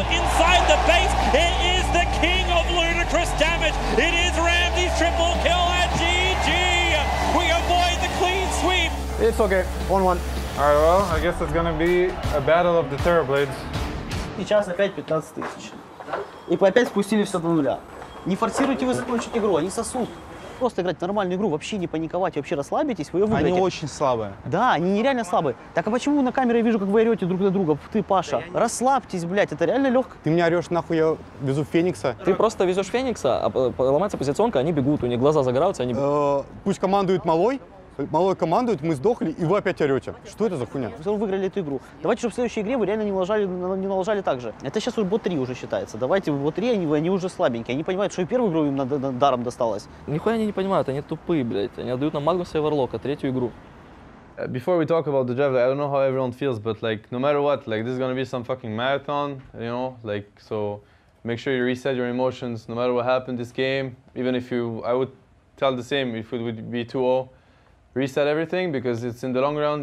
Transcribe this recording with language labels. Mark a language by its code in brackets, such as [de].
[en] Inside the base, it is the king of ludicrous damage. It is Ramsey's triple kill at GG. We avoid the clean sweep. It's okay. 1-1. All right, well, I guess it's going to be a battle of the Terrorblades. [ru] Сейчас опять 15 тысяч. И опять спустили все до нуля. Не форсируйте вы закончить игру, они сосут. Просто играть нормальную игру, вообще не паниковать, вообще расслабитесь, вы ее выиграете. Они очень слабые. Да, они нереально слабые. Так а почему на камере я вижу, как вы орете друг на друга? Ты, Паша, да расслабьтесь, блядь, это реально легко. Ты меня орешь, нахуй я везу Феникса. Ты просто везешь Феникса, а ломается позиционка, они бегут, у них глаза загораются, они... Пусть командует Малой. Малой командует, мы сдохли, и вы опять орете. Что это за хуйня? Вы выиграли эту игру. Давайте, чтобы в следующей игре вы реально не налажали так же. Это сейчас уже бот-3 уже считается. Давайте, бот-3, они уже слабенькие. Они понимают, что и первую игру им даром досталось. Нихуя они не понимают, они тупые, блядь. Они отдают нам Магнуса и Варлока, третью игру. [en] Before we talk about the draft, I don't know how everyone feels, but like, no matter what, like, this is gonna be some fucking marathon, you know? Like, so, make sure you reset your emotions, no matter what happened this game. Even if you, I would tell the same, if it would be 2-0. Reset everything because it's in the long run.